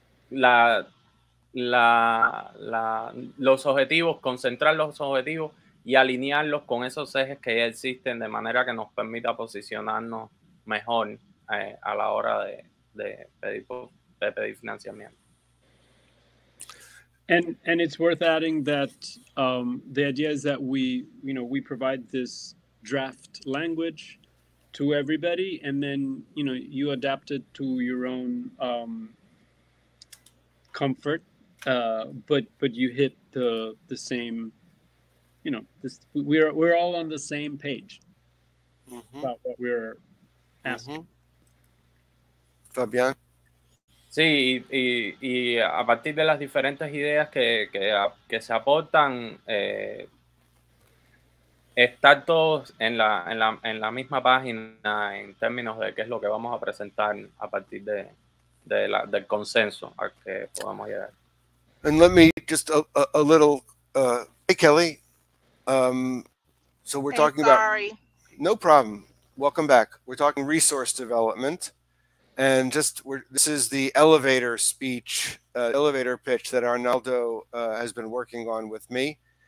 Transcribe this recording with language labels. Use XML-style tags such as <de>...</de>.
<es>los objetivos, concentrar los objetivos y alinearlos con esos ejes que ya existen de manera que nos permita posicionarnos mejor a la hora de pedir financiamiento.</es> <en>And it's worth adding that the idea is that we provide this draft language to everybody, and then you adapt it to your own comfort, but you hit the same, this we're all on the same page, mm-hmm, about what we're asking. Mm-hmm. Fabián.</en> <es>Sí, y a partir de las diferentes ideas que se aportan, estar todos en la misma página en términos de qué es lo que vamos a presentar a partir del consenso al que podamos llegar.</es> <en>And let me just a little, hey Kelly, so we're talking about, no problem, welcome back. We're talking resource development. And this is the elevator speech, elevator pitch that Arnaldo has been working on with me.</en>